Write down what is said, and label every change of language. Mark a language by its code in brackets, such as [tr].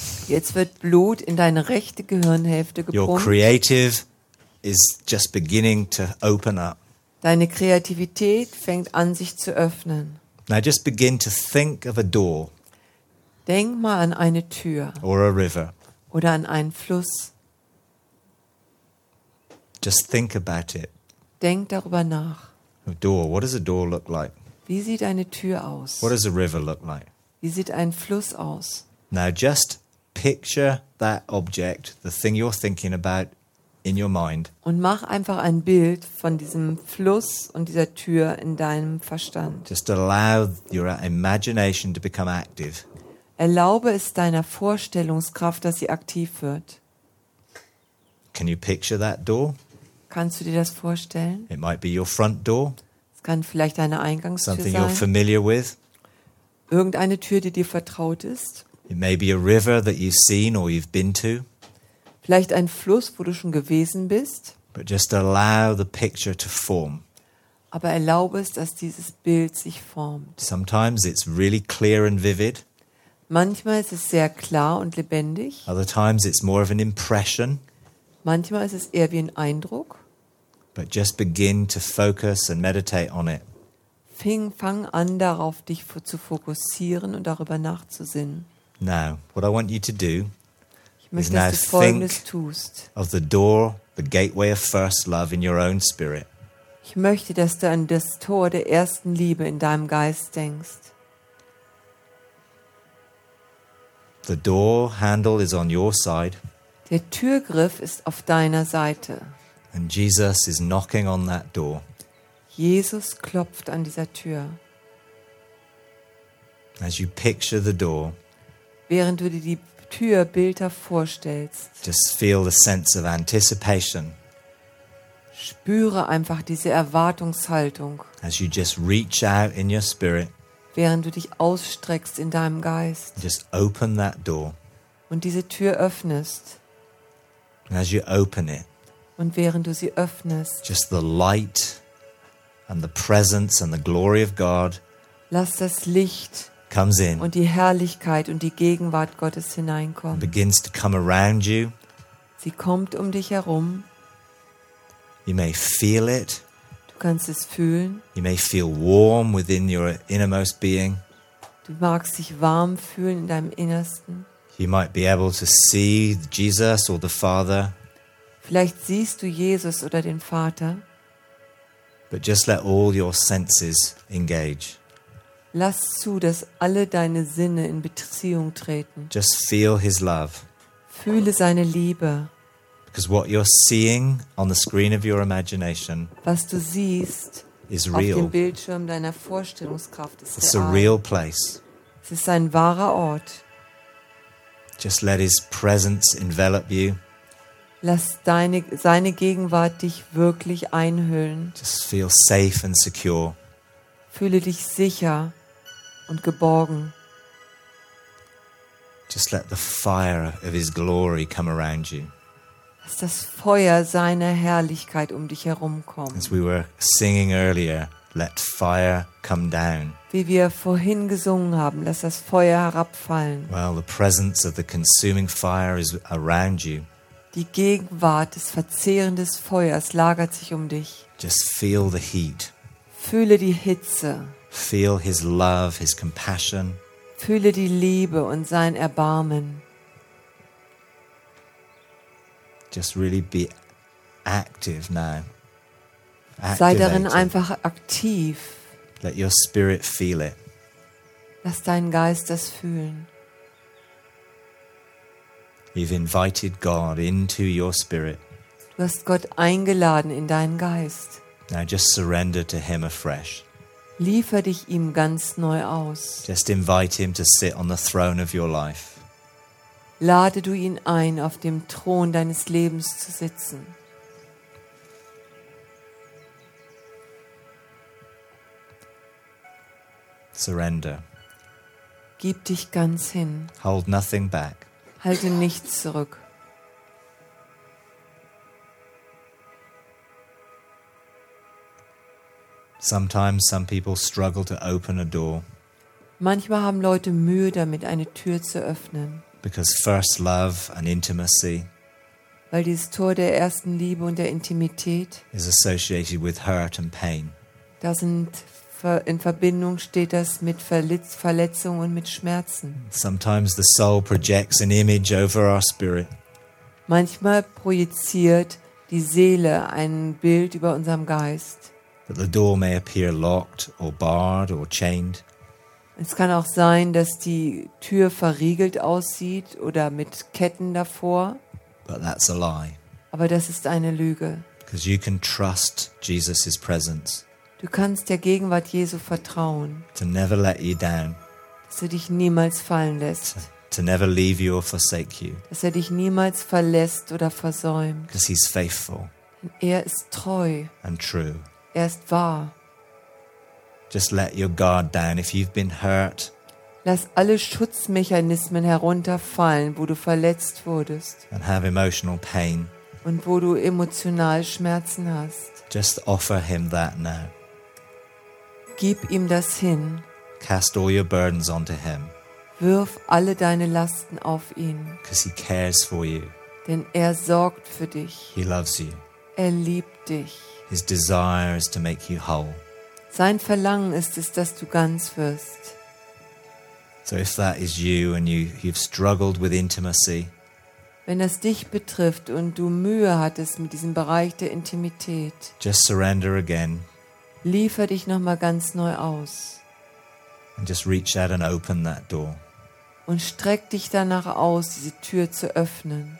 [de] Jetzt wird Blut in deine rechte Gehirnhälfte gepumpt. [en] Your creative is just beginning to open up. [de] Deine Kreativität fängt an, sich zu öffnen. [en] Now just begin to think of a door. [de] Denk mal an eine Tür. [en] Or a river. [de] Oder an einen Fluss. [en] Just think about it. [de] Denk darüber nach. [en] A door. What does a door look like? [de] Wie sieht eine Tür aus? [en] What does a river look like? [de] Wie sieht ein Fluss aus? [en] Now just picture that object, the thing you're thinking about, in your mind. [de] Und mach einfach ein Bild von diesem Fluss und dieser Tür in deinem Verstand. [en] Just allow your imagination to become active. [de] Erlaube es deiner Vorstellungskraft, dass sie aktiv wird. [en] Can you picture that door? [de] Kannst du dir das vorstellen? [en] It might be your front door. [de] Es kann vielleicht deine Eingangstür sein. [en] Something you're familiar with. [de] Irgendeine Tür, die dir vertraut ist. [en] It may be a river that you've seen or you've been to. [de] Vielleicht ein Fluss, wo du schon gewesen bist. [en] But just allow the picture to form. [de] Aber erlaube es, dass dieses Bild sich formt. [en] Sometimes it's really clear and vivid. [de] Manchmal ist es sehr klar und lebendig. [en] Other times it's more of an impression. [de] Manchmal ist es eher wie ein Eindruck. [en] But just begin to focus and meditate on it. [de] Fang an, darauf dich zu fokussieren und darüber nachzusinnen. [en] Now, what I want you to do is now think of the door, the gateway of first love in your own spirit. [de] Ich möchte, dass du an das Tor der ersten Liebe in deinem Geist denkst. [en] The door handle is on your side. [de] Der Türgriff ist auf deiner Seite. [en] And Jesus is knocking on that door. [de] Jesus klopft an dieser Tür. [en] As you picture the door, [de] während du dir die Tür bildhaft vorstellst, [en] just feel the sense of anticipation. [de] Spüre einfach diese Erwartungshaltung. [en] As you just reach out in your spirit, [de] während du dich ausstreckst in deinem Geist, [en] just open that door. [de] Und diese Tür öffnest. [en] As you open it, [de] und während du sie öffnest, [en] just the light and the presence and the glory of God, [de] lass das Licht [en] comes in [de] und die Herrlichkeit und die Gegenwart Gottes hineinkommen. [en] Begins to come around you. [de] Sie kommt um dich herum. [en] You may feel it. [de] Du kannst es fühlen. [en] You may feel warm within your innermost being. [de] Du magst dich warm fühlen in deinem Innersten. [en] You might be able to see Jesus or the Father. [de] Vielleicht siehst du Jesus oder den Vater. [en] But just let all your senses engage. [de] Lass zu, dass alle deine Sinne in Beziehung treten. [en] Just feel his love. [de] Fühle seine Liebe. [en] Because what you're seeing on the screen of your imagination, [de] was du siehst, [en] is real. [de] Auf dem Bildschirm deiner Vorstellungskraft ist [en] real. It's a real place. [de] Es ist ein wahrer Ort. [en] Just let his presence envelop you. [de] Lass seine Gegenwart dich wirklich einhüllen. [en] Just feel safe and secure. [de] Fühle dich sicher und geborgen. [en] Just let the fire of his glory come around you. [de] Lass das Feuer seiner Herrlichkeit um dich herum kommen. [en] As we were singing earlier, let fire come down. [de] Wie wir vorhin gesungen haben, lass das Feuer herabfallen. [en] Well, the presence of the consuming fire is around you. [de] Die Gegenwart des verzehrenden Feuers lagert sich um dich. [en] Just feel the heat. [de] Fühle die Hitze. [en] Feel his love, his compassion. [de] Fühle die Liebe und sein Erbarmen. [en] Just really be active now. Activated. [de] Sei darin einfach aktiv. [en] Let your spirit feel it. [de] Lass deinen Geist das fühlen. [en] You've invited God into your spirit. [de] Du hast Gott eingeladen in deinen Geist. [en] Now just surrender to him afresh. [de] Liefer dich ihm ganz neu aus. [en] Just invite him to sit on the throne of your life. [de] Lade du ihn ein, auf dem Thron deines Lebens zu sitzen. [en] Surrender. [de] Gib dich ganz hin. [en] Hold nothing back. [de] Halte nichts zurück. [en] Sometimes some people struggle to open a door. [de] Manchmal haben Leute Mühe damit, eine Tür zu öffnen. [en] Because first love and intimacy. [de] Weil dieses Tor der ersten Liebe und der Intimität [en] is associated with hurt and pain. [de] Da sind in Verbindung steht das mit Verletzung und mit Schmerzen. [en] Sometimes the soul projects an image over our spirit. [de] Manchmal projiziert die Seele ein Bild über unserem Geist. [en] That the door may appear locked or barred or chained. [de] Es kann auch sein, dass die Tür verriegelt aussieht oder mit Ketten davor. [en] But that's a lie. [de] Aber das ist eine Lüge. [en] Because you can trust Jesus' presence. [de] Du kannst der Gegenwart Jesu vertrauen. [en] To never let you down. [de] Dass er dich niemals fallen lässt. [en] To never leave you or forsake you. [de] Dass er dich niemals verlässt oder versäumt. [en] Because he's faithful. [de] Er ist treu. [en] And true. [de] Er ist wahr. [en] Just let your guard down if you've been hurt. [de] Lass alle Schutzmechanismen herunterfallen, wo du verletzt wurdest. [en] And have emotional pain. [de] Und wo du emotional Schmerzen hast. [en] Just offer him that now. [de] Gib ihm das hin. [en] Cast all your burdens onto him. [de] Wirf alle deine Lasten auf ihn. [en] Because he cares for you. [de] Denn er sorgt für dich. [en] He loves you. [de] Er liebt dich. [en] His desire is to make you whole. [de] Sein Verlangen ist es, dass du ganz wirst. [en] So if that is you and you've struggled with intimacy. [de] Wenn das dich betrifft und du Mühe hattest mit diesem Bereich der Intimität. [en] Just surrender again. [de] Liefer dich noch mal ganz neu aus. [en] And just reach out and open that door. [de] Und streck dich danach aus, diese Tür zu öffnen.